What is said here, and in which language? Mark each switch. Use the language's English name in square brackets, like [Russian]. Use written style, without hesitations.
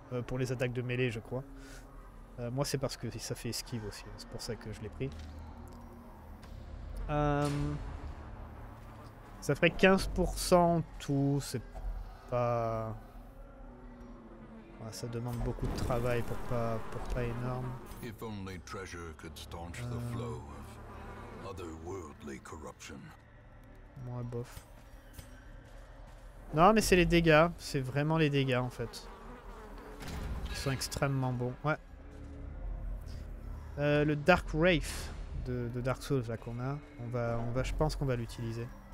[French] Pour les attaques de mêlée, je crois. Moi, c'est parce que ça fait esquive aussi. Hein. C'est pour ça que je l'ai pris. Ça ferait 15% tout. C'est pas... Ça demande beaucoup de travail pour pas énorme. [English] If only treasure could staunch the flow of otherworldly corruption. [French] Moi bof. Non mais c'est les dégâts, c'est vraiment les dégâts en fait. Ils sont extrêmement bons. Ouais. Le Dark Wraith de Dark Souls là qu'on a, on va je pense qu'on va l'utiliser.